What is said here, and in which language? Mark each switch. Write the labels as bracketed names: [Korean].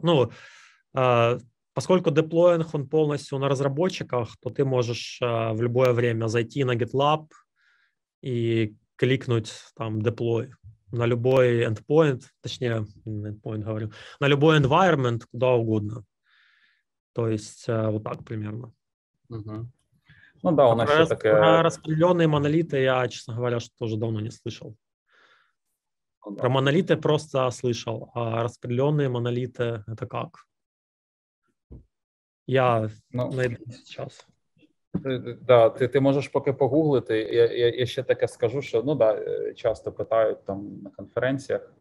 [Russian] Ну, поскольку деплоинг, он полностью на разработчиках, то ты можешь в любое время зайти на GitLab и кликнуть там deploy на любой endpoint, точнее, не endpoint говорю, на любой environment, куда угодно. То есть вот так примерно. Ну да, у нас про, еще такая... Про распределенные монолиты я, честно говоря, тоже давно не слышал. [Ukrainian] Про моноліти просто [Russian] слышал, [Ukrainian] а розпределені моноліти – це як? Я знайду зараз. Да, ти можеш поки погуглити. Я ще таке скажу, що ну, да, часто питають там на конференціях.